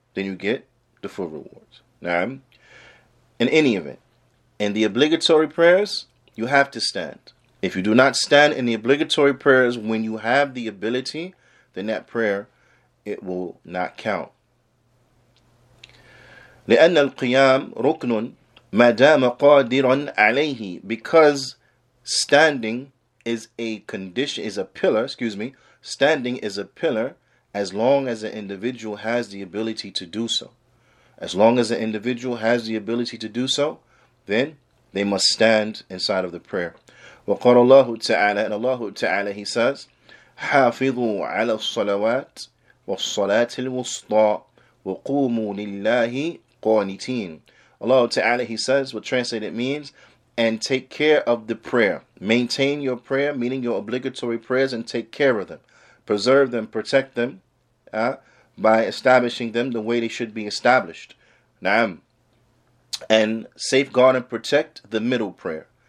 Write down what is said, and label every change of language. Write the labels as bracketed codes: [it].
[en] Then you get the full reward. Now, in any event, in the obligatory prayers, you have to stand. If you do not stand in the obligatory prayers when you have the ability, then that prayer, it will not count. [ar] لأن القيام ركن ما دام قادرا عليه. [en] Because standing is a condition, standing is a pillar as long as an individual has the ability to do so. As long as an individual has the ability to do so, then they must stand inside of the prayer. [ar] وقال الله تعالى, and الله تعالى, [en] he says, [ar] حافظوا على الصلوات والصلاة الوسطى وقوموا لله. [en] Allah Ta'ala, he says, what translated means, and take care of the prayer. Maintain your prayer, meaning your obligatory prayers, and take care of them. Preserve them, protect them. by establishing them the way they should be established. Naam. And safeguard and protect the middle prayer.